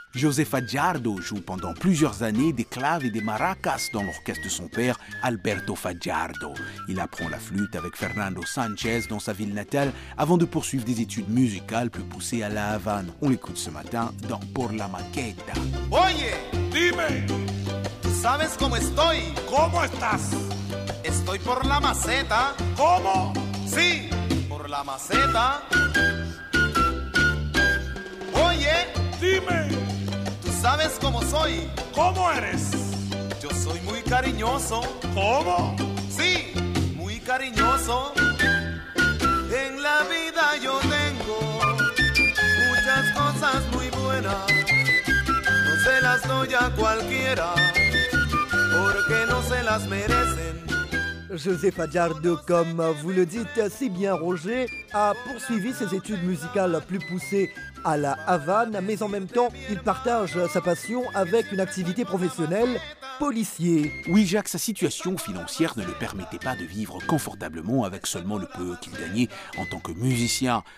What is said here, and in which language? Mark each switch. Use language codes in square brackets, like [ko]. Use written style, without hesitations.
[fr] José Fajardo joue pendant plusieurs années des claves et des maracas dans l'orchestre de son père, Alberto Fajardo. Il apprend la flûte avec Fernando Sanchez dans sa ville natale avant de poursuivre des études musicales plus poussées à La Havane. On l'écoute ce matin dans Por la Maqueta. [es] Oye, dime, ¿sabes cómo estoy? ¿Cómo estás? Estoy por la maceta. ¿Cómo? Sí, por la maceta. Oye, dime, ¿tú sabes cómo soy? ¿Cómo eres? Yo soy muy cariñoso. ¿Cómo? Sí, muy cariñoso. En la vida yo tengo muchas cosas muy buenas. No se las doy a cualquiera porque no se las merecen. [fr] José Fajardo, comme vous le dites si bien Roger, a poursuivi ses études musicales plus poussées à La Havane, mais en même temps, il partage sa passion avec une activité professionnelle, policier. Oui Jacques, sa situation financière ne le permettait pas de vivre confortablement avec seulement le peu qu'il gagnait en tant que musicien.